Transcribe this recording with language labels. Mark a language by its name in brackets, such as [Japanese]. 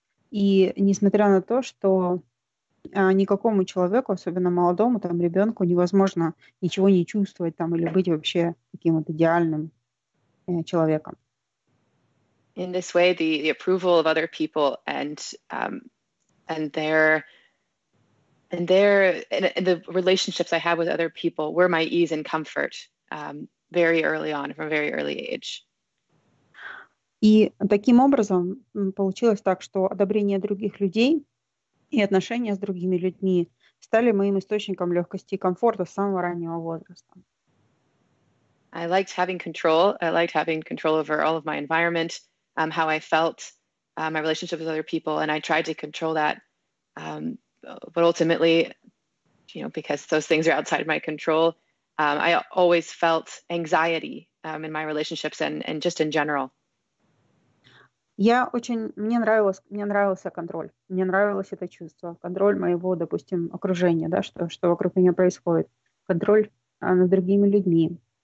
[Russian] И несмотря на то, что никакому человеку, особенно молодому, там, ребенку, невозможно ничего не чувствовать там или быть вообще таким вот идеальным человеком. [English] In this way, the approval of other people and the relationships I have with other people were my ease and comfort very early on, from a very early age. [Russian] И таким образом получилось так, что одобрение других людей и отношения с другими людьми стали моим источником легкости и комфорта с самого раннего возраста. [English] I liked having control. I liked having control over all of my environment, how I felt, my relationship with other people, and I tried to control that. But ultimately, because those things are outside my control, I always felt anxiety in my relationships and just in general. [Russian] Мне нравился контроль. Мне нравилось это чувство. Контроль моего, допустим, окружения, да, что вокруг меня происходит. Контроль над другими людьми.